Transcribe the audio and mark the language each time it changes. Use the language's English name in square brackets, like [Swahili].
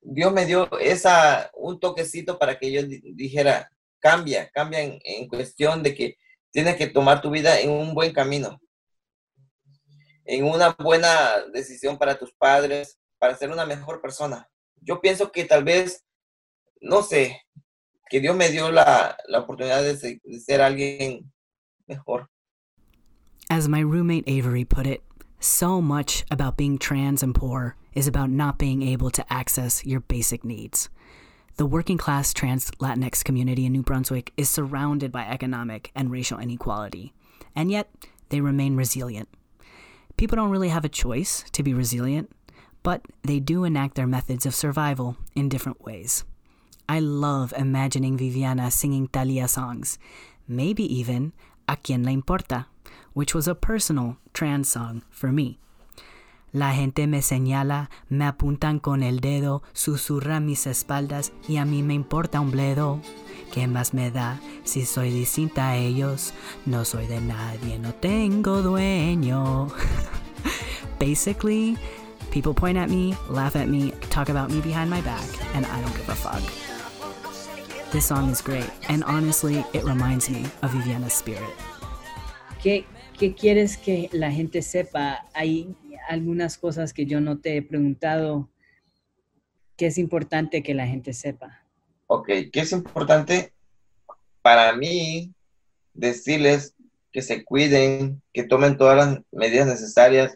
[Spanish] Dios me dio un toquecito para que yo dijera, cambia en cuestión de que tienes que tomar tu vida en un buen camino. En una buena decisión para tus padres, para ser una mejor persona. Yo pienso que tal vez, no sé, que Dios me dio la oportunidad de ser alguien mejor. [English] As my roommate Avery put it, so much about being trans and poor is about not being able to access your basic needs. The working class trans Latinx community in New Brunswick is surrounded by economic and racial inequality, and yet they remain resilient. People don't really have a choice to be resilient, but they do enact their methods of survival in different ways. I love imagining Viviana singing Thalia songs, maybe even A Quien Le Importa, which was a personal trans song for me. [Spanish] La gente me señala, me apuntan con el dedo, susurra mis espaldas y a mí me importa un bledo. ¿Qué más me da si soy distinta a ellos? No soy de nadie, no tengo dueño. [English] Basically, people point at me, laugh at me, talk about me behind my back, and I don't give a fuck. This song is great, and honestly, it reminds me of Viviana's spirit. [Spanish] ¿Qué quieres que la gente sepa? Hay algunas cosas que yo no te he preguntado. ¿Qué es importante que la gente sepa? Ok, ¿qué es importante para mí decirles que se cuiden, que tomen todas las medidas necesarias?